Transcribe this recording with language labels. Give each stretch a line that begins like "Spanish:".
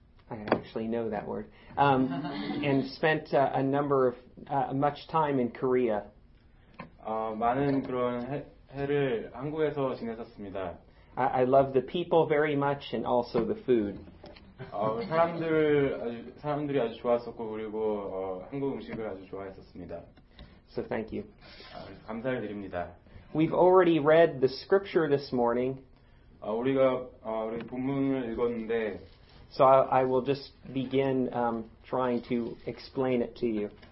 English: I actually know that word. And spent a number of much time in Korea.
Korean: 많은 그런 해를 한국에서 지냈었습니다.
English: I love the people very much and also the food.
Korean: 사람들이 아주 좋았었고 그리고 한국 음식을 아주 좋아했었습니다.
English: So thank you.
Korean: 감사드립니다.
English: We've already read the scripture this morning.
Korean: 우리가 우리 본문을 읽었는데
English: So I will just begin trying to explain it to you.